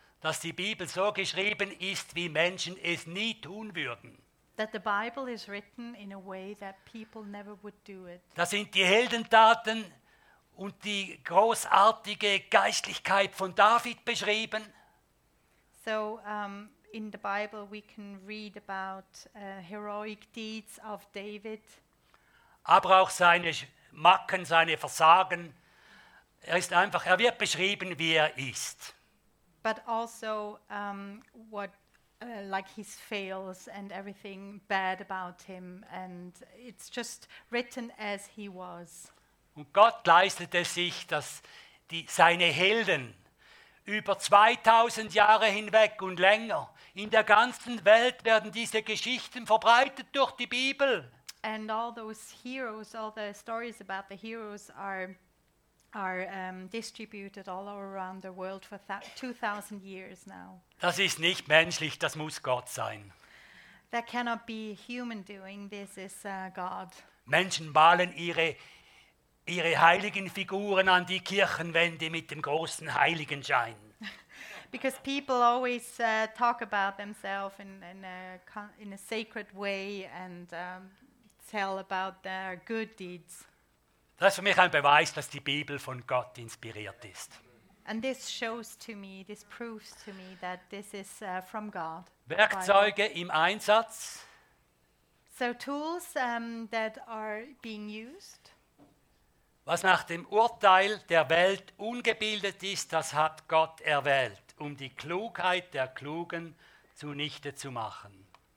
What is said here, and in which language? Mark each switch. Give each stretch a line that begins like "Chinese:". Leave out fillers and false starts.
German: Dass die Bibel so geschrieben ist, wie Menschen es nie tun würden.
English: That the Bible is written in a way that people never would do it.
German: Das sind die Heldentaten und die großartige Geistlichkeit von David beschrieben.
English: So in the Bible we can read about heroic deeds of David.
German: Aber auch seine Macken, seine Versagen. Er wird beschrieben, wie er ist.
English: But also what like his fails and everything bad about him, and it's just written as he was.
German: Und Gott leistete sich, dass seine Helden über 2000 Jahre hinweg und länger in der ganzen Welt werden diese Geschichten verbreitet durch die Bibel.
English: And all those heroes, all the stories about the heroes are distributed all around the world for 2000 years now.
German: Das ist nicht menschlich, das muss Gott sein.
English: That cannot be human doing, this is God.
German: Menschen malen ihre heiligen Figuren an die Kirchenwände mit dem großen Heiligenschein.
English: Because people always talk about themselves in a sacred way and tell about their good deeds.
German: Das ist für mich ein Beweis, dass die Bibel von Gott inspiriert ist.
English: And this shows to me, this proves to me that this is from God.
German: Werkzeuge im Einsatz.
English: So tools that are being used.
German: Was nach dem Urteil der Welt ungebildet ist, das hat Gott erwählt, um die Klugheit der Klugen zunichte zu machen.